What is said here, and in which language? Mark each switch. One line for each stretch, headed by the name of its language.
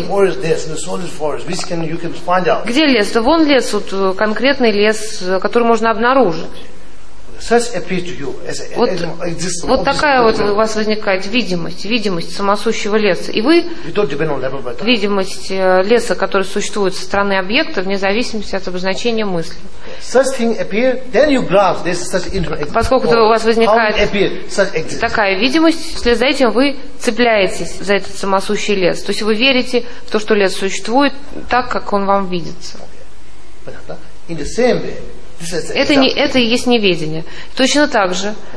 Russian: Где лес? Вон лес, вот конкретный лес, который можно обнаружить.
English: such appear to you as
Russian: вот, as вот такая вот у вас возникает видимость, видимость самосущего леса. И вы видимость леса, который существует со стороны объекта, вне зависимости от обозначения мысли.
English: Such thing appear, then you grasp this such interaction.
Russian: Поскольку у вас возникает такая видимость, вслед за этим вы цепляетесь за этот самосущий лес. То есть вы верите в то, что лес существует так, как он вам видится.
English: In the same way,
Russian: это, не, это и есть неведение. Точно так же.